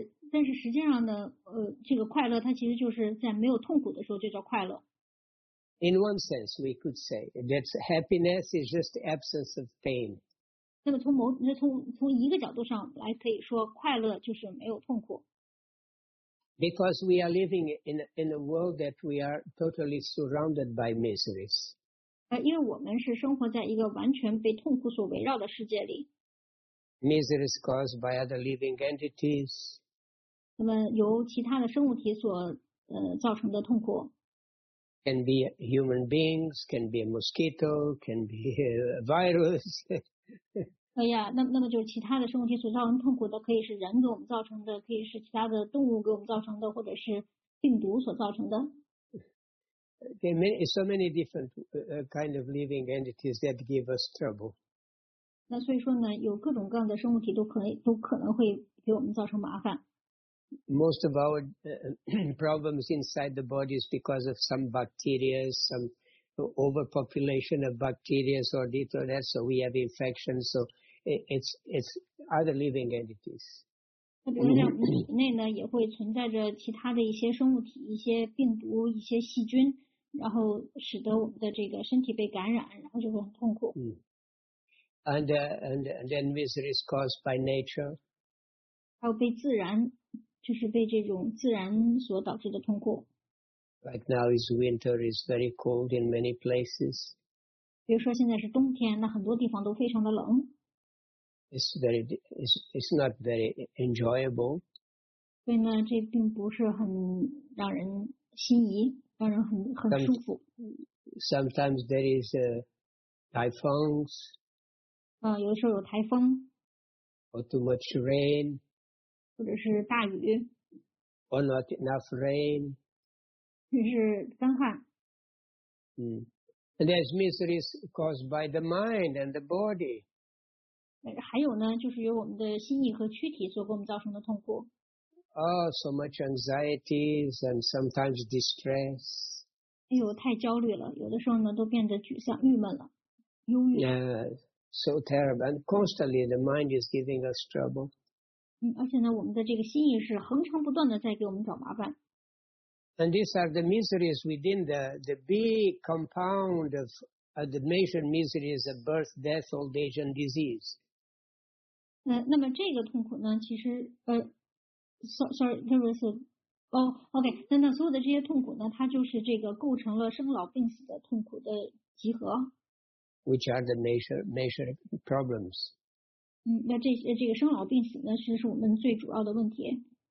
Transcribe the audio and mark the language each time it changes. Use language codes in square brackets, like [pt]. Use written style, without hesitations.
[zh] 但是实际上呢，这个快乐它其实就是在没有痛苦的时候就叫快乐。 [en] In one sense, we could say that happiness is just the absence of pain. [zh] 那么从一个角度上来可以说，快乐就是没有痛苦。 [en] Because we are living in a world that we are totally surrounded by miseries. [zh] 因为我们是生活在一个完全被痛苦所围绕的世界里。 [en] Miseries caused by other living entities. [zh] 那么由其他的生物体所造成的痛苦。 [en] can be human beings, can be a mosquito, can be a virus. [zh] 哎呀，那么就是其他的生物体所造成痛苦的，可以是人给我们造成的，可以是其他的动物给我们造成的，或者是病毒所造成的。 [en] There are many, so many different kind of living entities that give us trouble. [zh] 那所以说呢，有各种各样的生物体都可能会给我们造成麻烦。 [en] Most of our problems inside the body is because of some bacteria, some overpopulation of bacteria or this or that, so we have infections. So it's other living entities. [zh] 那比如像我们体内呢，也会存在着其他的一些生物体、一些病毒、一些细菌，然后使得我们的这个身体被感染，然后就会很痛苦。 [en] And then misery is caused by nature. [zh] 还有被自然。就是被这种自然所导致的痛苦。 [en] Right now is winter, is very cold in many places. [zh] 比如说现在是冬天，那很多地方都非常的冷。 [en] It's not very enjoyable. [zh] 所以呢，这并不是很让人心仪，让人很舒服。 [en] Sometimes there is typhoons. [zh] 有的时候有台风。 [en] Or too much rain. [zh] 或者是大雨 [en] ，or not enough rain， [zh] 就是干旱。 [en] And there's miseries caused by the mind and the body。 [zh] 还有呢，就是由我们的心意和躯体所给我们造成的痛苦。 [en] Oh, so much anxieties and sometimes distress。 [zh] 哎呦，太焦虑了，有的时候呢都变得沮丧、郁闷了，忧郁。 [en] Yeah, so terrible, and constantly the mind is giving us trouble。 [zh] 而且呢，我们的这个心意是恒常不断的在给我们找麻烦。 [en] And these are the miseries within the big compound of the major miseries of birth, death, old age, and disease. [zh] 那么这个痛苦呢，其实那所有的这些痛苦呢，它就是这个构成了生老病死的痛苦的集合。 [en] Which are the major problems? [zh] 那这个生老病死呢，其实是我们最主要的问题。